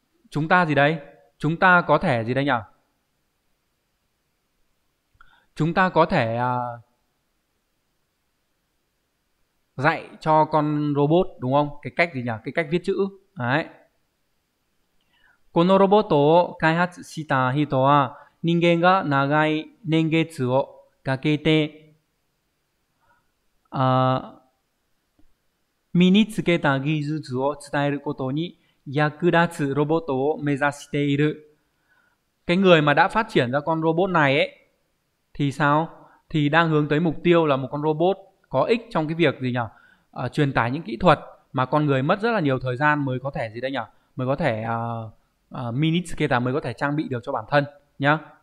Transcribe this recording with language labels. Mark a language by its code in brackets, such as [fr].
[vi] Chúng ta gì đây? Chúng ta có thể gì đây nhỉ? Chúng ta có thể dạy cho con robot, đúng không? Cái cách gì nhỉ? Cái cách viết chữ. Đấy. [ja] このロボットを開発した人は人間が長い年月をかけて身につけた技術を伝えることに役立つロボットを目指している。 [vi] Cái người mà đã phát triển ra con robot này ấy, thì sao? Thì đang hướng tới mục tiêu là một con robot có ích trong cái việc gì nhỉ? truyền tải những kỹ thuật mà con người mất rất là nhiều thời gian mới có thể gì đấy nhỉ, mới có thể minutes kia là mới có thể trang bị được cho bản thân nhá.